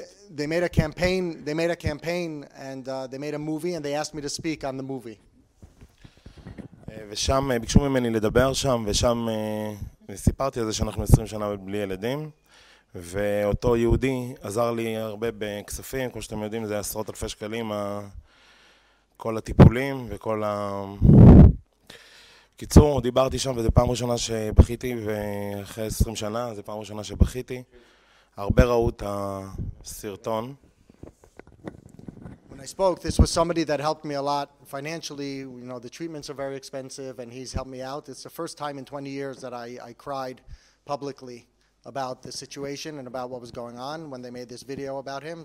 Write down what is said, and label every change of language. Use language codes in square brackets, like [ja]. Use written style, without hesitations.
[en] They made a campaign, and they made a movie, and they asked me to speak on the movie. [he] ושם ביקשו ממני לדבר שם, ושם סיפרתי על זה שאנחנו 20 שנה בלי ילדים. ואותו יהודי עזר לי הרבה בכספים, כמו שאתם יודעים, זה עשרות אלפי שקלים, כל הטיפולים וכל ה... קיצור, דיברתי שם וזה פעם ראשונה שבכיתי, ואחרי 20 שנה, זה פעם ראשונה שבכיתי. הרבה ראו את הסרטון. [en] When I spoke, this was somebody that helped me a lot financially. You know, the treatments are very expensive and he's helped me out. It's the first time in 20 years that I cried publicly. About the situation and about what was going on when they made this video about him.